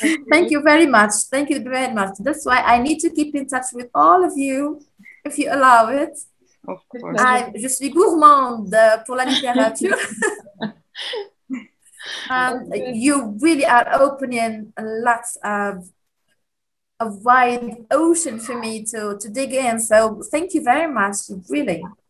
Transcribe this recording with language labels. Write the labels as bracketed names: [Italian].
[English] Thank you very much. Thank you very much. That's why I need to keep in touch with all of you, if you allow it. Of course. [French] Je suis gourmande pour la littérature. [English] You really are opening lots of a wide ocean for me to dig in. So thank you very much, really.